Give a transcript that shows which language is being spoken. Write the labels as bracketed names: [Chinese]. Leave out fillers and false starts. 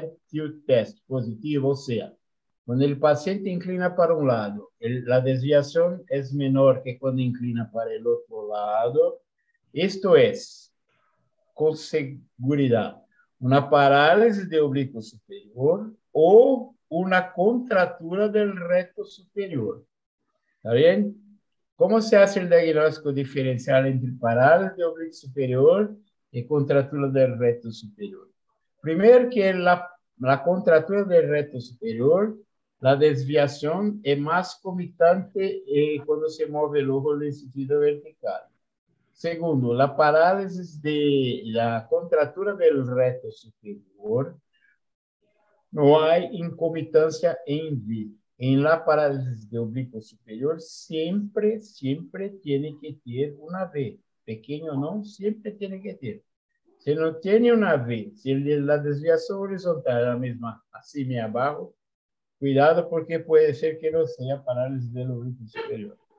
[Portuguese] to test positivo, ou seja, quando o paciente inclina para um lado, a desviação é menor que quando inclina para o outro lado. Isto é, com segurança, uma parálise do oblíquo superior ou uma contratura do reto superior. Está bem? Como se faz o diagnóstico diferencial entre parálise do oblíquo superior e contratura do reto superior? Primeiro que a contratura do reto superior, a desviação é mais comitante quando se move o olho no sentido vertical. Segundo, a parálise de la contratura do reto superior, não há incomitância em vivo. Em la parálise de oblíquo superior, sempre tem que ter uma V. Pequeno ou não, sempre tem que ter. [Spanish] Si no tiene una V, si la desviación horizontal es la misma, así me abajo, cuidado porque puede ser que no sea parálisis del orificio superior.